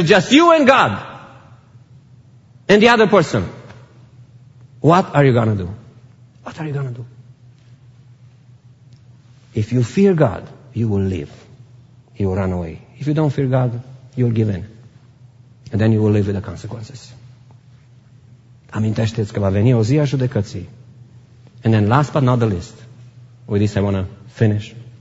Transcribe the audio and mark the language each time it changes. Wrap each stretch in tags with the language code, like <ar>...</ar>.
<en>Just you and God. And the other person. What are you going to do? What are you going to do? If you fear God, you will live. You will run away. If you don't fear God, you'll give in. And then you will live with the consequences.</en> <ro>Amintește-ți că va veni o zi a judecății.</ro> <en>And then last but not the least. With this I want to finish.</en>